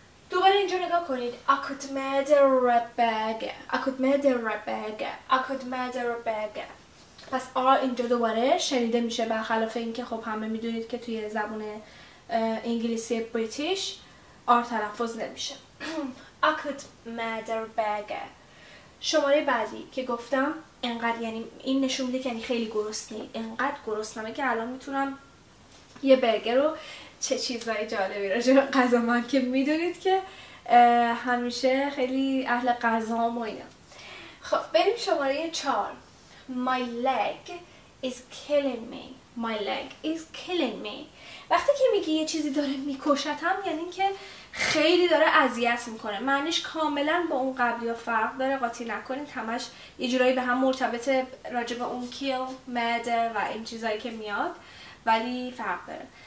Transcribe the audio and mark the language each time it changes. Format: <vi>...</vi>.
<fa>دوباره اینجا نگاه کنید</fa> <en>I could murder a burger. I could murder a burger. I could murder a burger.</en> <fa>پس R اینجا دوباره شنیده میشه، برخلاف اینکه خب همه میدونید که توی زبان انگلیسی بریتیش R تلفظ نمیشه.</fa> <en>I could murder a burger.</en> <fa>شماره بعدی که گفتم انقدر، یعنی این نشون میده که یعنی خیلی گرسنه، انقدر گرسنه که الان میتونم یه برگر رو چه چیزای جالبی رو چه غذا من که میدونید که همیشه خیلی اهل غذا هم و اینا. خب بریم شماره 4</fa> <en>My leg is killing me. My leg is killing me.</en> <fa>وقتی که میگی یه چیزی داره میکشتم یعنی که خیلی داره اذیت میکنه، معنیش کاملا با اون قبلی ها فرق داره، قاطی نکنید، همش یه جورایی به هم مرتبطه راجب اون kill, murder و این چیزایی که میاد، ولی فرق داره.</fa>